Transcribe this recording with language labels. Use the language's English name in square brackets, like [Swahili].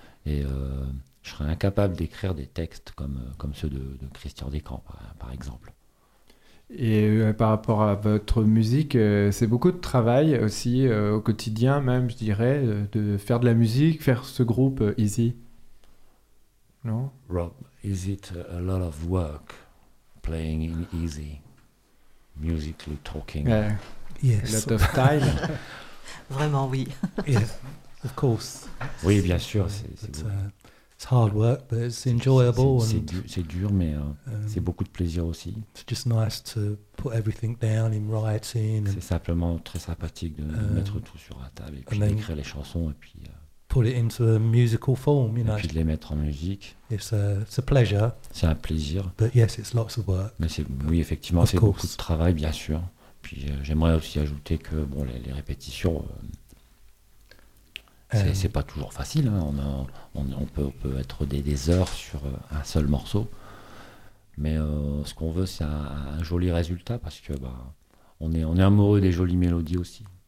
[French] Et je serais incapable d'écrire des textes comme ceux de Christian Descamps, par exemple. Et par rapport à votre musique, c'est beaucoup de travail aussi, au quotidien même, je dirais, de faire de la musique, faire ce groupe Easy. Non? [English] Rob, is it a lot of work playing in Easy? Musically talking. Yes. A lot of time. [French] Vraiment, oui. [English] Yes, of course. [French] Oui, bien sûr. C'est [English] It's hard work, but it's enjoyable. [French] C'est dur, mais c'est beaucoup de plaisir aussi. [English] It's just nice to put everything down in writing. [French] C'est simplement très sympathique de mettre tout sur la table et puis d'écrire les chansons et puis. [English] Put it into a musical form, you know. [French] Et puis de les mettre en musique. [English] It's a pleasure. [French] C'est un plaisir. [English] But yes, it's lots of work. [French] Mais c'est beaucoup de travail, bien sûr. Puis j'aimerais aussi ajouter que bon, les répétitions. C'est pas toujours facile, hein. On peut être des heures sur un seul morceau, mais ce qu'on veut, c'est un joli résultat, parce que bah, on est amoureux des jolies mélodies aussi.